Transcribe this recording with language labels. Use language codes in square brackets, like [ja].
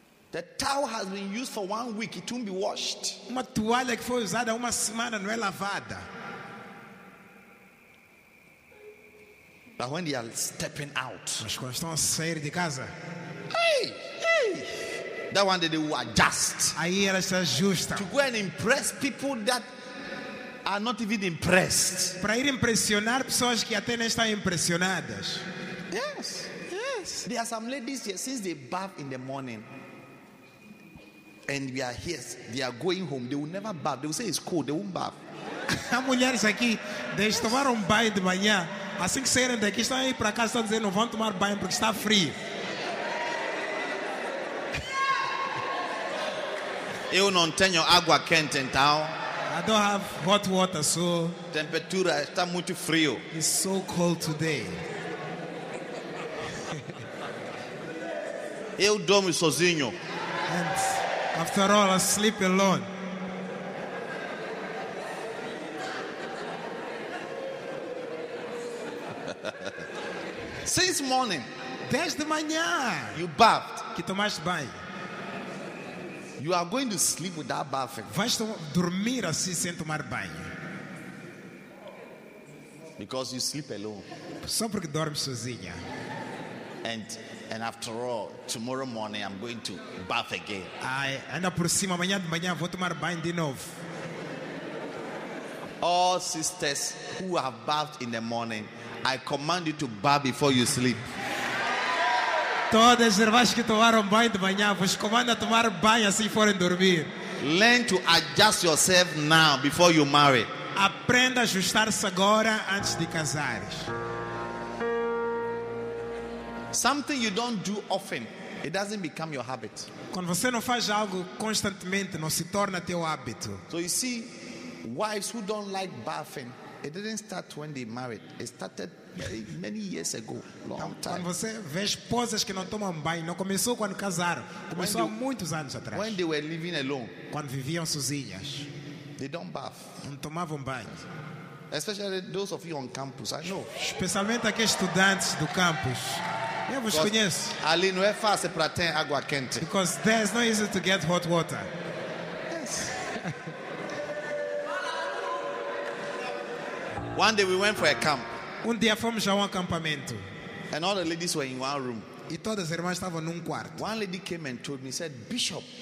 [en] The towel has been used for 1 week, it won't be washed. [pt] Uma toalha que foi usada uma semana não é lavada. [en] But when they are stepping out, [pt] mas quando estão a sair de casa, [en] hey, that one day they will adjust. [pt] Aí elas se ajustam. [en] To go and impress people that are not even impressed. [pt] Para ir impressionar pessoas que até nem estão impressionadas. [en] Yes, yes. There are some ladies here since they bath in the morning, and we are here. They are going home. They will never bath. They will say it's cold. They won't bath. [pt] As mulheres aqui, eles tomaram banho de manhã. Assim que saírem daqui, estão aí para casa, estão dizendo, não vão tomar banho porque está frio. Eu não tenho água quente então. [en] I don't have hot water, so. [pt] Temperatura está muito frio. [en] It's so cold today. [pt] Eu dormo sozinho. [en] And after all, I sleep alone. Since morning, [pt] desde manhã, [en] you bathed, [pt] que tomaste banho. [en] You are going to sleep without bathing. [pt] Vais dormir assim sem tomar banho. [en] Because you sleep alone. [pt] Só porque dormes sozinha. [en] And after all, tomorrow morning I'm going to bath again. [pt] Ai, ainda por cima amanhã de manhã vou tomar banho de novo. [en] All sisters who have bathed in the morning, I command you to bath before you sleep. [pt] Todas as irmãs que tomaram banho de manhã, vos comando a tomar banho assim forem dormir. [en] Learn to adjust yourself now before you marry. [pt] Aprenda a ajustar-se agora antes de casares. [en] Something you don't do often, it doesn't become your habit. [pt] Quando você não faz algo constantemente, não se torna teu hábito. [en] So you see, wives who don't like bathing, it didn't start when they married. It started many years ago, long time. [pt] Quando você vê esposas que não tomam banho, não começou quando casaram, começou há muitos anos atrás. [en] When they were living alone, [pt] quando viviam sozinhas, [en] they don't bath. [pt] Não tomavam banho. [en] Especially those of you on campus, I know. [pt] Especialmente aqueles estudantes do campus. Eu vos conheço. Ali não é fácil para ter água quente. [en] Because there is no easy to get hot water. Yes. One day we went for a camp. [pt] Um dia fomos a um acampamento. [en] And all the ladies were in one room. [pt] E todas as irmãs estavam num quarto. [en] One lady came and told me, said, Bishop.